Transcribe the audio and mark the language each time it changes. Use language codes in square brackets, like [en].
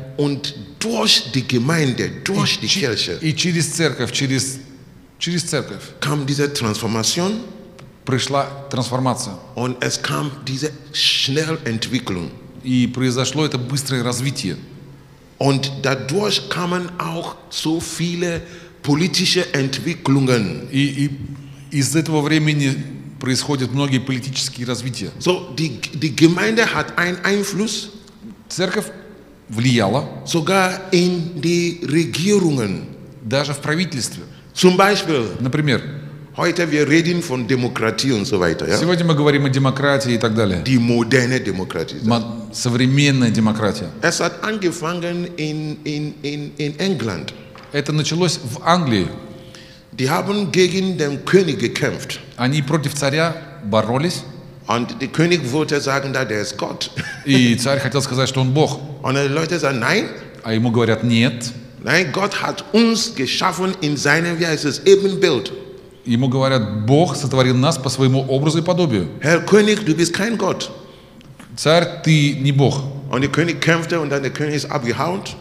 [de] Und durch die Gemeinde, durch die Kirche. [ru] И через церковь, через церковь. [de] Kam diese Transformation. [ru] Пришла трансформация. [de] Und es kam diese schnelle Entwicklung. [ru] И произошло это быстрое развитие. [de] Und dadurch kamen auch so viele politische Entwicklungen. [ru] И из этого времени происходят многие политические развития. [de] So die Gemeinde hat einen Einfluss. [ru] Церковь влияла. [de] Sogar in die Regierungen. [ru] Даже в правительстве. [de] Zum Beispiel. [ru] Например. [de] Heute wir reden von Demokratie und so weiter. Ja? [ru] Сегодня мы говорим о демократии и так далее. [de] Die moderne Demokratie. [ru] Современная демократия. [de] Es hat angefangen in England. [ru] Это началось в Англии. [de] Die haben gegen den König gekämpft. [ru] Они против царя боролись. [de] Und der König wollte sagen, [en] that there is God. [ru] И царь хотел сказать, что он Бог. [de] Und die Leute sagen, nein. [ru] А ему говорят, нет. [de] Nein, Gott hat uns geschaffen in seinem, wie heißt es, Ebenbild. [ru] Ему говорят, Бог сотворил нас по своему образу и подобию. [de] Herr König, du bist kein Gott. [ru] Царь, ты не Бог. [de] Und der König kämpfte und dann der König ist abgehauen.